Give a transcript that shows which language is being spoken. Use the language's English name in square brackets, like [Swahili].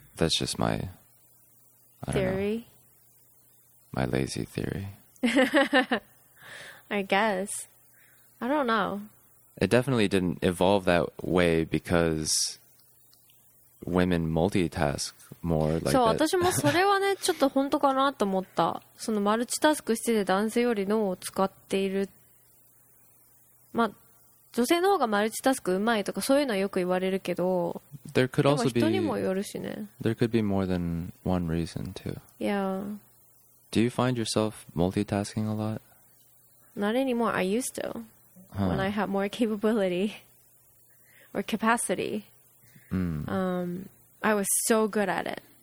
[English] That's just my... My lazy theory. I guess. I don't know. It definitely didn't evolve that way because women multitask more. [Japanese] そう、私もそれはね、ちょっと本当かなと思った。そのマルチタスクしてて男性より脳を使っている。まあ、女性の方がマルチタスクうまいとかそういうのはよく言われるけど、でも人にもよるしね。 [English] There could be more than one reason too. Yeah. Do you find yourself multitasking a lot? Not anymore. I used to. Huh. When I had more capability or capacity, I was so good at it.